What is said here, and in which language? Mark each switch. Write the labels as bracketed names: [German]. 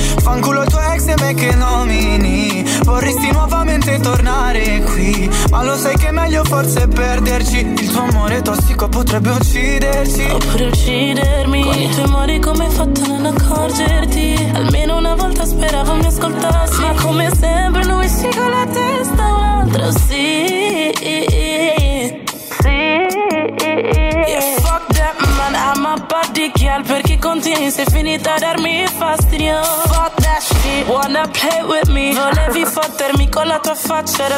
[Italian] Fanculo tuo ex e me che nomini. Vorresti nuovamente tornare qui, ma lo sai che è meglio forse perderci. Il tuo amore tossico potrebbe ucciderci. Oppure uccidermi. Con i tuoi amori come hai fatto a non accorgerti? Almeno una volta speravo mi ascoltassi. Ma come sempre non esci con la testa. Altro sì, sì. [English] Yeah, fuck that man, I'm a body girl. [Italian] Perché continui, sei finita a darmi fastidio. [English] Fuck that shit, wanna play with me. [Italian] Volevi fottermi con la tua faccia da